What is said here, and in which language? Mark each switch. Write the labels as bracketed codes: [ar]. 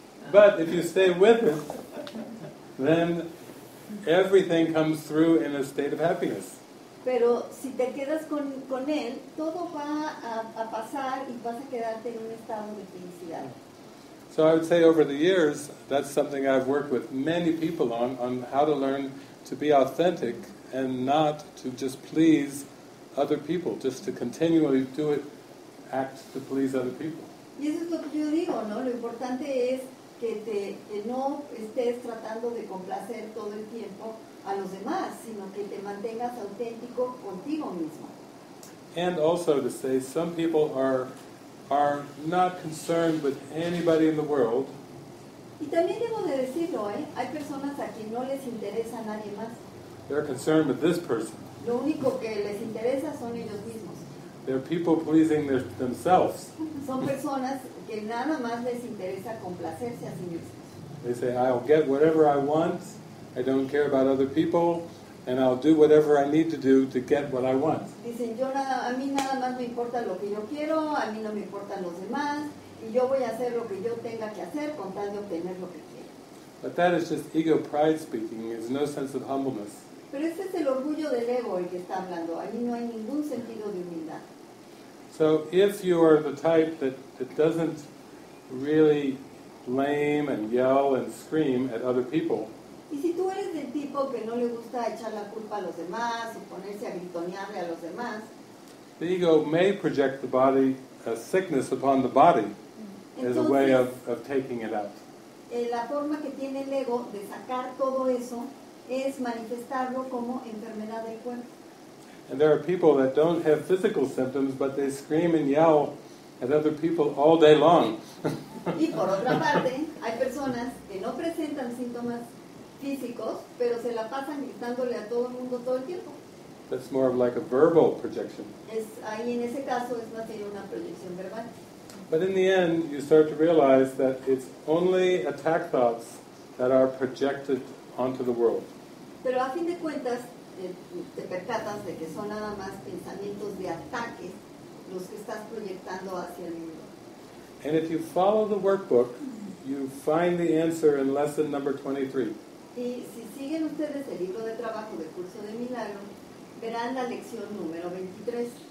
[en] But if you stay with it, then everything comes through in a state of happiness. [es] Pero si te quedas con él, todo va a pasar y vas a quedarte en un estado de felicidad. [en] So I would say over the years, that's something I've worked with many people on how to learn to be authentic and not to just please other people, just to continually do it, act to please other people. [es] Y eso es lo que yo digo, ¿no? Lo importante es que no estés tratando de complacer todo el tiempo a los demás, sino que te mantengas auténtico contigo mismo. [en] And also to say some people are not concerned with anybody in the world. [es] Y también debo de decirlo, ¿eh? Hay personas a quien no les interesa nadie más. [en] They're concerned with this person. [es] Lo único que les interesa son ellos mismos. [en] They're people pleasing themselves. [es] Son personas que nada más les interesa complacerse a sí mismos. [en] They say, I'll get whatever I want, I don't care about other people, and I'll do whatever I need to do to get what I want. [es] Dicen, yo nada, a mí nada más me importa lo que yo quiero, a mí no me importan los demás, y yo voy a hacer lo que yo tenga que hacer con tal de obtener lo que quiero. [en] But that is just ego pride speaking. There's no sense of humbleness. [es] Pero este es el orgullo del ego el que está hablando. Allí no hay ningún sentido de humildad. [en] So if you are the type that doesn't really blame and yell and scream at other people. [es] Y si tú eres del tipo que no le gusta echar la culpa a los demás o ponerse a gritonearle a los demás. [en] The ego may project the body, a sickness upon the body, [es] entonces, [en] as a way of taking it out. [es] La forma que tiene el ego de sacar todo eso es manifestarlo como enfermedad del cuerpo. [en] And there are people that don't have physical symptoms, but they scream and yell at other people all day long. [es] Y por otra parte, hay personas que no presentan síntomas físicos, pero se la pasan gritándole a todo el mundo todo el tiempo. [en] That's more of like a verbal projection. [es] Ahí en ese caso es más bien una proyección verbal. [en] But in the end, you start to realize that it's only attack thoughts that are projected onto the world. [es] Pero a fin de cuentas, te percatas de que son nada más pensamientos de ataque los que estás proyectando hacia el mundo. [en] And if you follow the workbook, you find the answer in lesson number 23. [es] Y si siguen ustedes el libro de trabajo del curso de milagro, verán la lección número 23.